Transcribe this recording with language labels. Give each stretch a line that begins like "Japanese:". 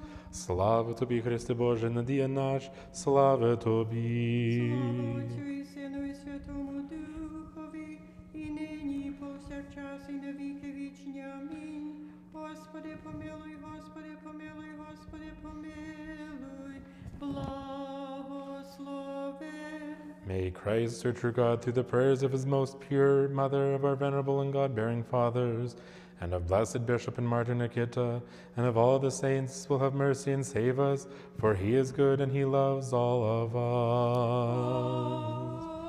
Ukrainian: Слава тобі, Христе Боже, надія наш, слава тобі. Слава Отцю і Сину і Святому Духові, і нині, і повсякчас, і навіки вічні. Амінь. Господи, помилуй, Господи, помилуй, Господи, помилуй. Благослови.
English: May Christ, our true God, through the prayers of his most pure mother, of our venerable and God-bearing fathers, and of blessed Bishop and Martyr Nykyta, and of all the saints, will have mercy and save us, for he is good and he loves all of us.